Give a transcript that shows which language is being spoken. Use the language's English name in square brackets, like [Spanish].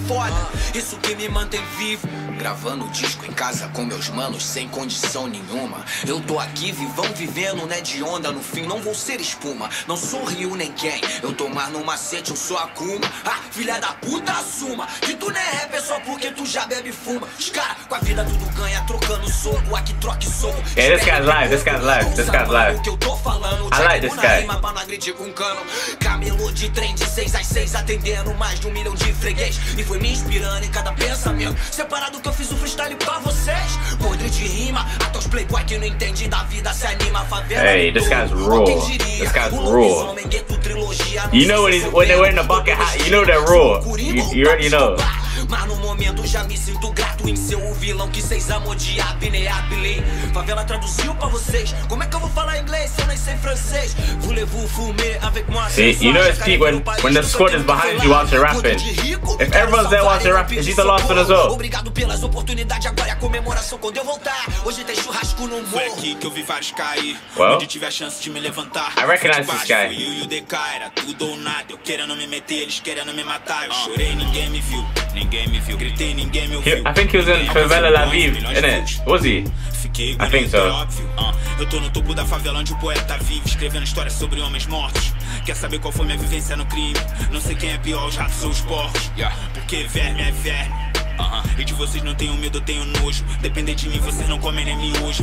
[Portuguese] Foda, isso que me mantém vivo. Gravando disco em casa com meus manos, sem condição nenhuma. Eu tô aqui vivão, vivendo, né, de onda. No fim não vou ser espuma, não sou rio nem quem. Eu tô mais no macete, eu sou Akuma. Ah, filha da puta, assuma que tu não é rapper só porque tu já bebe e fuma. Os cara com a vida tudo ganha, trocando soco. Aqui troque soco. [English] Hey, this guy's live, this guy's live, this guy's live. [Portuguese] O que eu tô falando, [English] I like this guy. [Portuguese] Rima pra não agredir com cano. Camelô de trem de 6 às 6, atendendo mais de 1 milhão de freguês. Foi me inspirando em cada pensamento. Separado que eu fiz o freestyle pra vocês. Podre de rima, até os playboy que não entende da vida se anima. Favela, [English] hey, this guy's raw. This guy's raw. You know when he's when they're wearing a bucket hat, you know they're raw. You already know. [Portuguese] Mas no momento já me sinto grato em ser o vilão que vocês amam de Abneabli. Favela traduziu pra vocês. Como é que eu vou falar inglês se eu nem sei francês? [French] Voulez-vous fumer avec moi? [English] See, you know it's deep when the squad is behind you while they're rapping. If everyone's there while they're rapping, he's the last one as well. [Portuguese] Obrigado pelas oportunidades, agora é a comemoração quando eu voltar. Hoje tem churrasco no morro. Foi aqui que eu vi vários cair. Onde tive a chance de me levantar. [English] I recognize this guy. [Portuguese] Eu e o DK era tudo ou nada. Eu querendo me meter, eles querendo me matar. Eu chorei, ninguém me viu. Ninguém me viu, gritei, ninguém me ouviu. [English] I think he was in Favela La Vive, innit? Was he? [Portuguese] Fiquei bonito, é óbvio. Eu tô no topo da favela onde o poeta vive, escrevendo histórias sobre homens mortos. Quer saber qual foi minha vivência no crime? Não sei quem é pior, os ratos ou os porcos. Porque verme é verme. E de vocês não tenho medo, eu tenho nojo. Depender de mim, vocês não comem nem miojo.